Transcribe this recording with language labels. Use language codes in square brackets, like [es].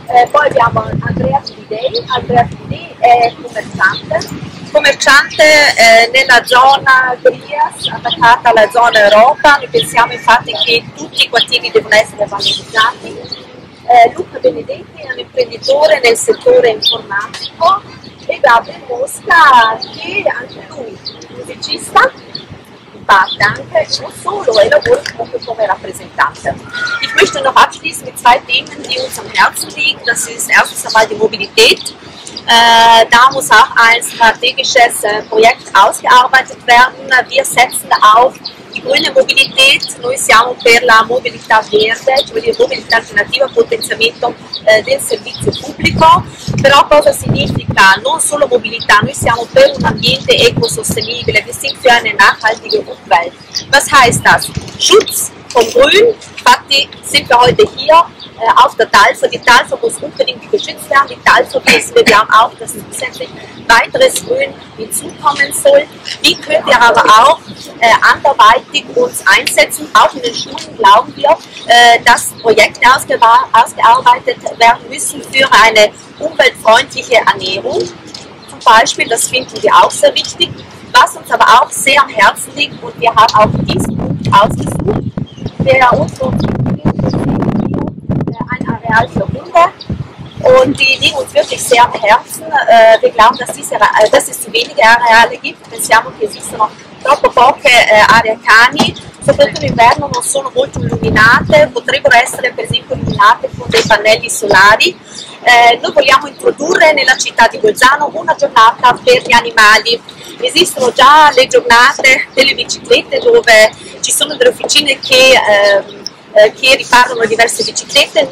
[it] Poi abbiamo Andrea Fidei è commerciante nella zona Grias, attaccata alla zona Europa, noi pensiamo infatti che tutti i quartieri devono essere valorizzati. Luca Benedetti è un imprenditore nel settore informatico e Gabriel Mosca, che anche lui musicista, in parte anche, non solo, e lavora proprio come rappresentante. [de] Ich möchte noch abschließen mit zwei Themen, die uns am Herzen liegen. Das ist erstens einmal die Mobilität. Da muss auch ein strategisches Projekt ausgearbeitet werden. Wir setzen auf die grüne Mobilität. [it] Noi siamo per la mobilità verde, cioè la mobilità alternativa, potenziamento del servizio pubblico. Però cosa significa? Non solo mobilità, noi siamo per un ambiente ecosostenibile, [de] wir sind für eine nachhaltige Umwelt. Was heißt das? Schutz vom Grün, [it] infatti [de] sind wir heute hier auf der Talfa. Die Talfa muss unbedingt geschützt werden, die Talfa wissen wir auch, dass zusätzlich weiteres Grün hinzukommen soll. Wie könnt ihr aber auch anderweitig uns einsetzen? Auch in den Schulen glauben wir, dass Projekte ausgearbeitet werden müssen für eine umweltfreundliche Ernährung. Zum Beispiel, das finden wir auch sehr wichtig. Was uns aber auch sehr am Herzen liegt, und wir haben auch diesen Punkt ausgesucht, der uns so ein Areal für Hunde, und die liegen uns wirklich sehr am Herzen. Wir glauben, dass es zu wenige Areale gibt. Wir sehen, [it] che esistono troppo poche aree cani, soprattutto in inverno non sono molto illuminate, potrebbero essere per esempio illuminate con dei pannelli solari. Noi vogliamo introdurre nella città di Bolzano una giornata per gli animali. Esistono già le giornate delle biciclette, dove ci sono delle officine che riparano diverse biciclette.